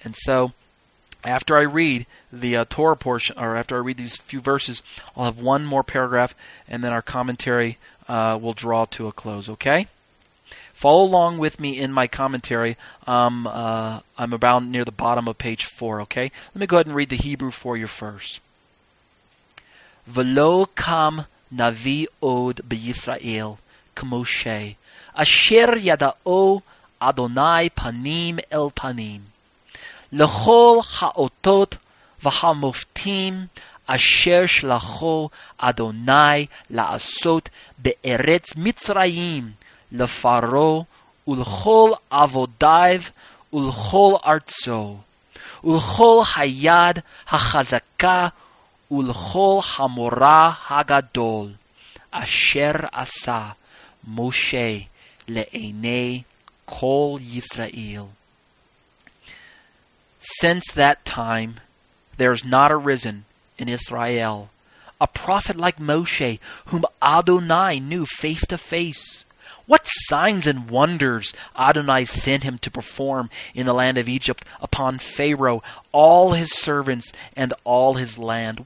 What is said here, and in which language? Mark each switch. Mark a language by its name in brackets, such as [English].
[English] And so, after I read the Torah portion, or after I read these few verses, I'll have one more paragraph, and then our commentary will draw to a close, okay? Follow along with me in my commentary. I'm about near the bottom of page 4, okay? Let me go ahead and read the Hebrew for you first. [Hebrew] V'lo kam navi od b'Yisrael k'moshe asher yada'o Adonai panim el panim לכל האותות והמופתים אשר שלחו אדוני לעשות בארץ מצרים לפרעה ולכל עבודיו ולכל ארצו ולכל היד החזקה ולכל המורה הגדול אשר עשה משה לעיני כל ישראל. [English] Since that time, there is not arisen in Israel a prophet like Moshe, whom Adonai knew face to face. What signs and wonders Adonai sent him to perform in the land of Egypt upon Pharaoh, all his servants, and all his land.